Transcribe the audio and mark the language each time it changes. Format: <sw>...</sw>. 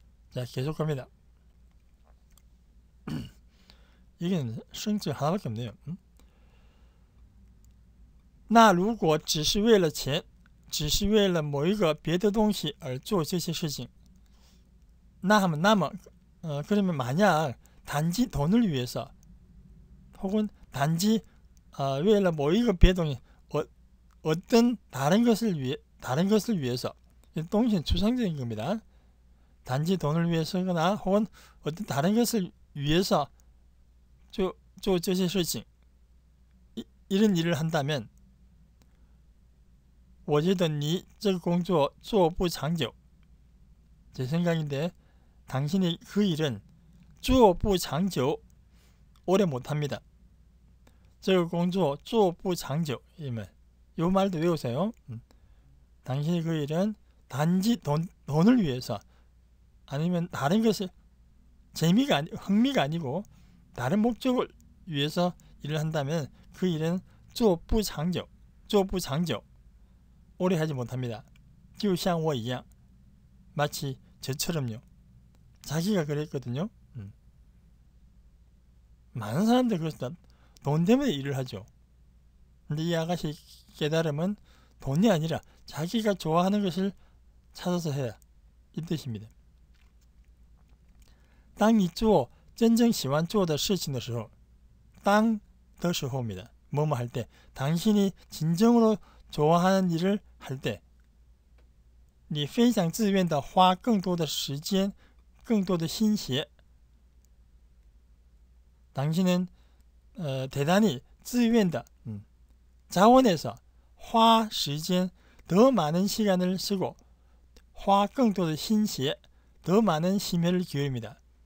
<ko>자계속합니다 이건生气하나밖에없네요</ko> <zh>那如果只是为了钱，只是为了某一个别的东西而做这些事情，那么，</zh> <ko>그러면만약단지돈을위해서，혹은단지</ko> <zh>为了某一个别的东西，</zh> <ko>어떤다른 것을 위해서 동시에 추상적인 겁니다. 단지 돈을 위해서거나 혹은 어떤 다른 것을 위해서</ko> <zh>做这些事情，</zh> <ko>이런 일을 한다면</ko> <zh>我觉得你这个工作做不长久。</zh> <ko>제 생각인데 당신의 그 일은</ko> <zh>做不长久，</zh> <ko>오래 못 합니다.</ko> <zh>这个工作做不长久，</zh> <ko>이말이 말도 외우세요. 당신의 그 일은 단지 돈을 위해서 아니면 다른 것을 흥미가 아니고 다른 목적을 위해서 일을 한다면 그 일은</ko> <zh>做不长久，</zh> <ko>오래 하지 못합니다.</ko> <zh>就像我一样,</zh> <ko>마치 저처럼요. 자기가 그랬거든요. 많은 사람들 그렇다. 돈 때문에 일을 하죠. 근데 이 아가씨 깨달음은 돈이 아니라 자기가 좋아하는 것을 찾아서 해야 이 뜻입니다.</ko> <zh>当你做真正喜欢做的事情的时候，当的时候입니다.</zh> <ko>뭐뭐 할 때, 당신이 진정으로 좋아하는 일을 할 때,</ko> <zh>你非常自愿地花更多的时间，更多的心血.</zh> <ko>당신은 대단히</ko> <zh>自愿的,</zh> <ko>자원해서</ko> <zh>花时间,</zh> <ko>더 많은 시간을 쓰고,</ko> <zh>花更多的心血,</zh> <ko>더 많은 심혈을 기울입니다.</ko>